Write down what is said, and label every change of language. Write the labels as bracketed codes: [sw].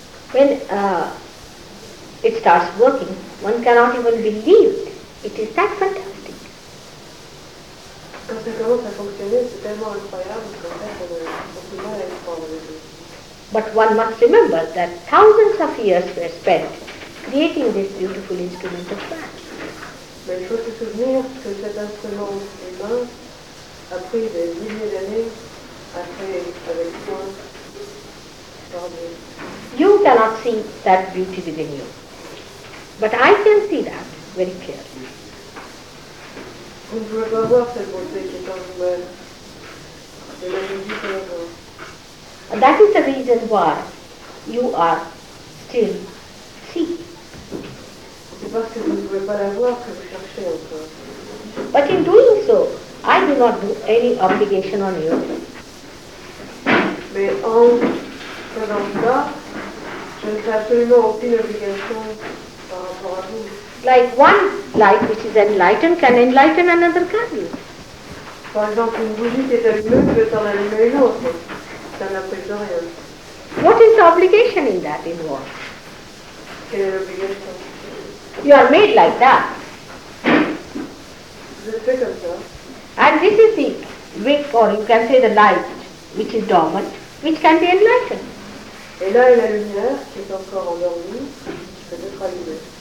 [en] When it starts working, one cannot even believe it is that fantastic. [fr] Quand ça commence à fonctionner, c'est tellement incroyable qu'en fait, on peut pas aller se prendre les deux. [en] But one must remember that thousands of years were spent creating this beautiful instrument of man. [fr] Mais il faut se souvenir que cet instrument humain a pris des milliers d'années à créer avec soin. [en] You cannot see that beauty within you. But I can see that very clearly. [fr] Vous ne pouvez pas voir cette beauté qui est en vous-même. Mais je dis que non. [en] That is the reason why you are still seeing. [fr] C'est parce que vous ne pouvez pas la voir que vous cherchez encore. [en] But in doing so, I do not do any obligation on you. [fr] Mais en faisant ça, je ne fais absolument aucune obligation par rapport à vous. [en] Like one light which is enlightened can enlighten another candle. [fr] Par exemple, une bougie qui est allumée peut en allumer une autre. Ça n'apporte rien. [en] What is the obligation in that involved? [fr] Quelle est l'obligation? [en] You are made like that. [fr] Vous êtes fait comme ça. [en] And this is the wick, or you can say the light, which is dormant, which can be enlightened. [fr] Et là est la lumière qui est encore endormie, qui peut être allumée.